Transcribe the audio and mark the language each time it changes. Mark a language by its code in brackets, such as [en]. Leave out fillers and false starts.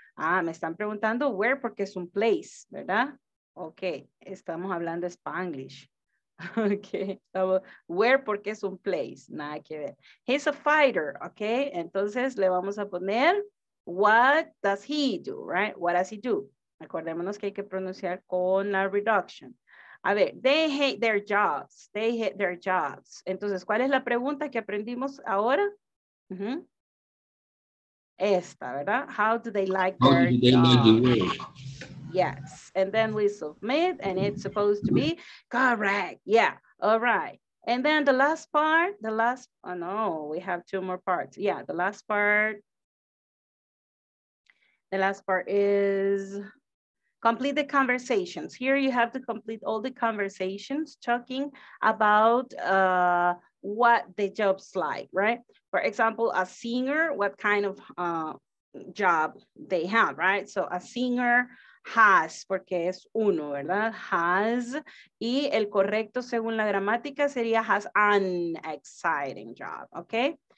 [es] Ah, me están preguntando where porque es un place, ¿verdad? Ok, estamos hablando Spanglish. Ok, where porque es un place, nada que ver. [en] He's a fighter, ok, [es] entonces le vamos a poner [en] what does he do, right? What does he do? [es] Acordémonos que hay que pronunciar con la reduction. A ver, [en] they hate their jobs, they hate their jobs. [es] Entonces, ¿cuál es la pregunta que aprendimos ahora? [en] Uh-huh. [es] Esta, ¿verdad? [en] How do they like their jobs? Yes. And then we submit and it's supposed to be correct. Yeah. All right. And then the last part, oh no, we have two more parts. Yeah, the last part is complete the conversations. Here you have to complete all the conversations talking about what the job's like, right? For example, a singer, what kind of job they have, right? So a singer has, [es] porque es uno, ¿verdad? Has, y el correcto según la gramática sería [en] has an exciting job, okay?